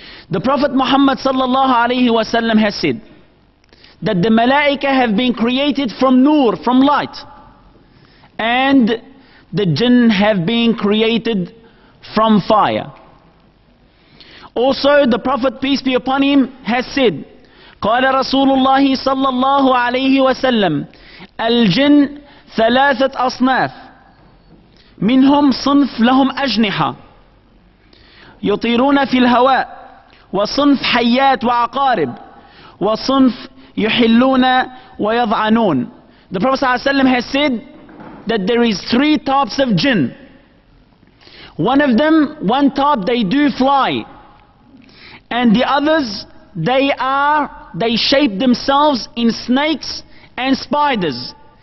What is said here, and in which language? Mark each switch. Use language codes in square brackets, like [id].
[en] The Prophet Muhammad sallallahu alayhi wa sallam has said that the malaika have been created from nur, from light, and the jinn have been created from fire. Also, the Prophet, peace be upon him, has said, [ar] قال رسول الله صلى الله عليه وسلم الجن ثلاثة أصناف منهم صنف لهم أجنحة يطيرون في الهواء وصنف حيات وعقارب وصنف يحلون ويضعنون. [en] The Prophet [ar] صلى الله عليه وسلم [en] has said that there is three types of jinn. One of them, one type, they do fly. And the others, they shape themselves in snakes and spiders.